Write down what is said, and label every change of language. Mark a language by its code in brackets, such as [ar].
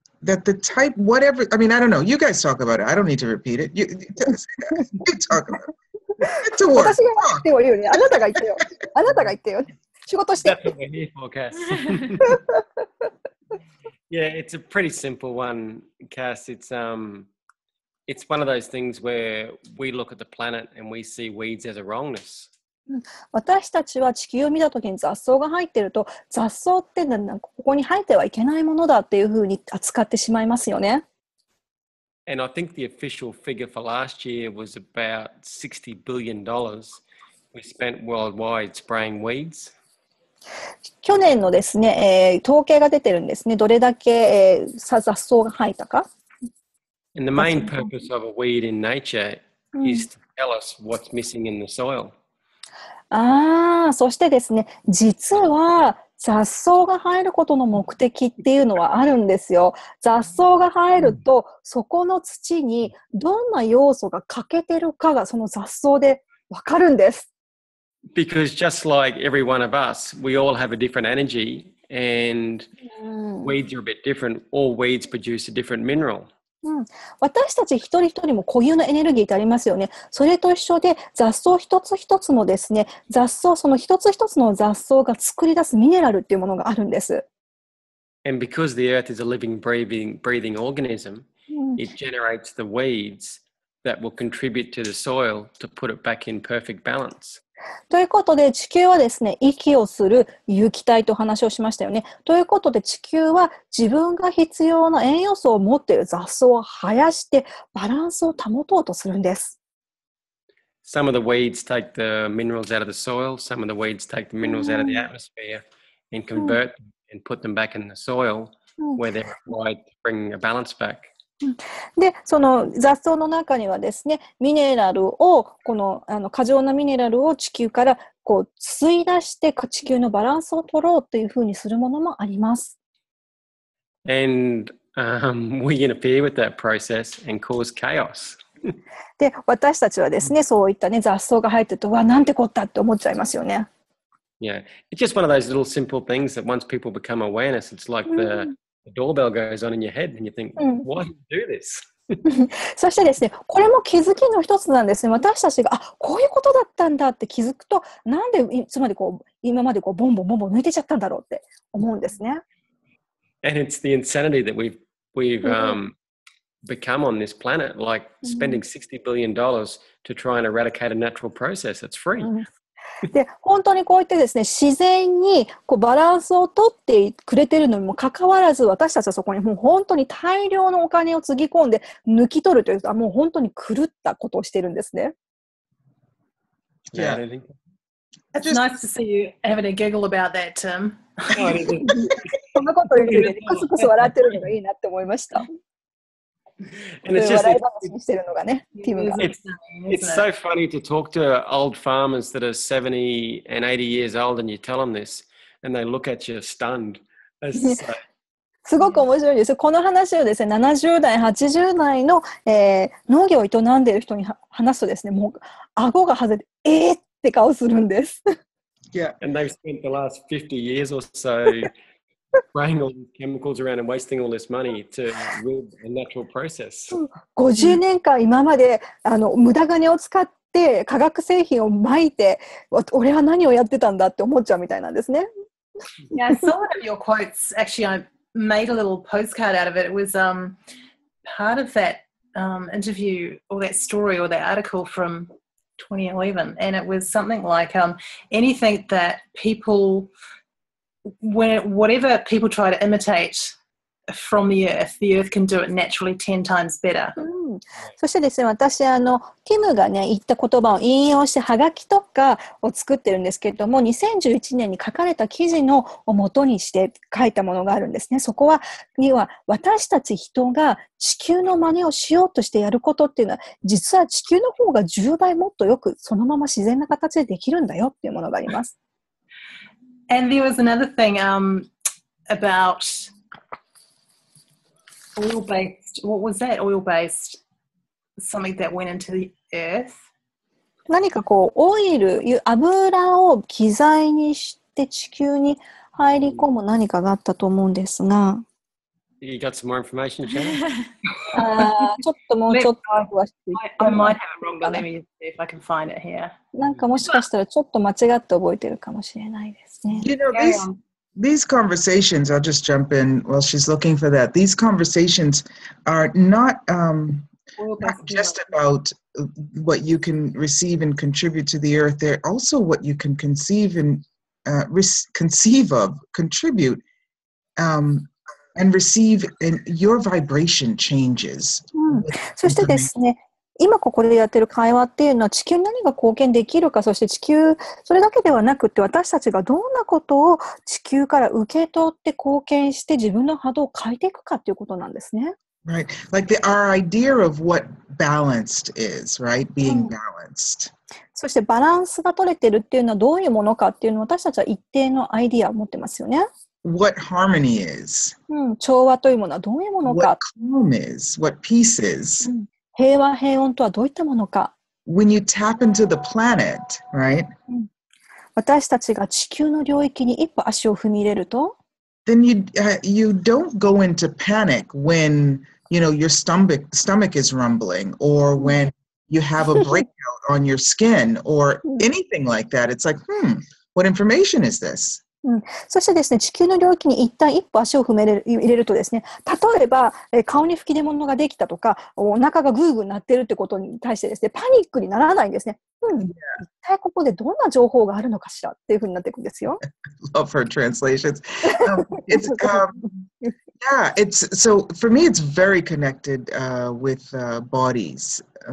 [en] That the type, whatever, I mean, I don't know, you guys talk about it, I don't need to repeat it. You talk about it. Get to work. [ja] 私が言ってもいいよね。あなたが言ってよ。あなたが言ってよ。仕事して。 [en] That's what we need for, Kass. Yeah, it's a pretty simple one, Kass. It's one of those things where we look at the planet and we see weeds as a wrongness. [ja] 私たちは地球を見たときに雑草が入っていると、雑草ってなんかここに入ってはいけないものだっていうふうに扱ってしまいますよね。 [en] And I think the official figure for last year was about $60 billion we spent worldwide spraying weeds. [ja] 去年のですね、統計が出てるんですね。どれだけ、雑草が入ったか。 [en] And the main purpose of a weed in nature is to tell us what's missing in the soil. [ja] ああ、そしてですね、実は雑草が生えることの目的っていうのはあるんですよ。雑草が生えると、そこの土にどんな要素が欠けてるかがその雑草でわかるんです。 [en] Because just like every one of us, we all have a different energy and weeds are a bit different. All weeds produce a different mineral. [ja] 私たち一人一人も固有のエネルギーってありますよね。それと一緒で雑草一つ一つもですね、雑草その一つ一つの雑草が作り出すミネラルっていうものがあるんです。 [en] And because the earth is a living, breathing organism, it generates the weeds that will contribute to the soil to put it back in perfect balance. [ja] ということで地球はですね、息をする有機体と話をしましたよね。ということで地球は自分が必要な栄養素を持っている雑草を生やしてバランスを保とうとするんです。 [en] Some of the weeds take the minerals out of the soil, some of the weeds take the minerals out of the atmosphere and convert them and put them back in the soil where they're required to bring a balance back. [ja] でその雑草の中にはですね、ミネラルをこの、あの過剰なミネラルを地球からこう吸い出して地球のバランスを取ろうというふうにするものもあります。 [en] And we interfere with that process and cause chaos. [ja] で私たちはですね、そういったね雑草が生えてると、わなんてこったって思っちゃいますよね。 [en] Yeah, it's just one of those little simple things that once people become awareness, it's like the、The doorbell goes on in your head, and you think, "Why do you do this?" [ja] そしてですね、これも気づきの一つなんですね。私たちがあ、こういうことだったんだって気づくと、なんでつまりこう今までこうボンボンボンボン抜いてちゃったんだろうって思うんですね。 [en] And it's the insanity that we've become on this planet, like spending $60 billion to try and eradicate a natural process that's free. [ja] で本当にこう言ってですね、自然にこうバランスを取ってくれてるのにもかかわらず、私たちはそこにもう本当に大量のお金をつぎ込んで抜き取るというか、もう本当に狂ったことをしてるんですね。 [en] Yeah. It's nice to see you having a giggle about that, Tim. It's so funny to talk to old farmers that are 70 and 80 years old and you tell them this and they look at you stunned. [ja] すごく面白いです。この話をですね、70代、80代の、農業を営んでいる人に話すとですね、もう顎が外れて、って顔するんです。 [en] Yeah, and they've spent the last 50 years or so spraying all these chemicals around and wasting all this money to rid a natural process. [ja] 50年間今まで無駄金を使って化学製品を撒いて、俺は何をやってたんだって思っちゃうみたいなんですね。 [en] Yeah, some of your quotes, actually, I'm... made a little postcard out of it. It was part of that interview or that story or that article from 2011. And it was something like anything that people, whatever people try to imitate from the earth can do it naturally 10 times better. [ja] そしてですね、私ティムがね言った言葉を引用してハガキとかを作ってるんですけれども、2011年に書かれた記事のを元にして書いたものがあるんですね。そこはには私たち人が地球の真似をしようとしてやることっていうのは、実は地球の方が10倍もっとよくそのまま自然な形でできるんだよっていうものがあります。 [en] And there was another thing aboutOil based, what was that? Oil based, something that went into the earth. [ja] 何かこうオイル、油を機材にして地球に入り込む何かがあったと思うんですが。 [en] You got some more information, Jane? [ja] ちょっともうちょっと。 [en] I might have it wrong, but let me see if I can find it here. [ja] なんかもしかしたらちょっと間違って覚えてるかもしれないですね。 [en] You know this? These conversations, I'll just jump in while she's looking for that. These conversations are not just about what you can receive and contribute to the earth. They're also what you can conceive and conceive of, contribute, and receive, and your vibration changes. [ja] そしてですね、今ここでやってる会話っていうのは地球に何が貢献できるか、そして地球それだけではなくて私たちがどんなことを地球から受け取って貢献して自分の波動を変えていくかっていうことなんですね。 [en] Right, like the, our idea of what balanced is, right, being balanced.、 [ja] うん、そしてバランスが取れてるっていうのはどういうものかっていうのを私たちは一定のアイディアを持ってますよね。 [en] What harmony is?、 [ja] うん、調和というものはどういうものか。 [en] What calm is? What peace is?、 [ja] うん、平和平穏とはどういったものか。 [en] When you tap into the planet, right? [ja] 私たちが地球の領域に一歩足を踏み入れると、 [en] then you don't go into panic when you know your stomach is rumbling or when you have a breakout on your skin or anything like that. It's like, what information is this? [ja] そしてですね、地球の領域に一旦一歩足を踏め入れるとですね、例えば顔に吹き出物ができたとか、お腹がグーグー鳴ってるってことに対してですね、パニックにならないんですね。一体ここでどんな情報があるのかしらっていうふうになっていくんですよ。 [en] Love her translations. It's, yeah, it's, so for me it's very connected with bodies.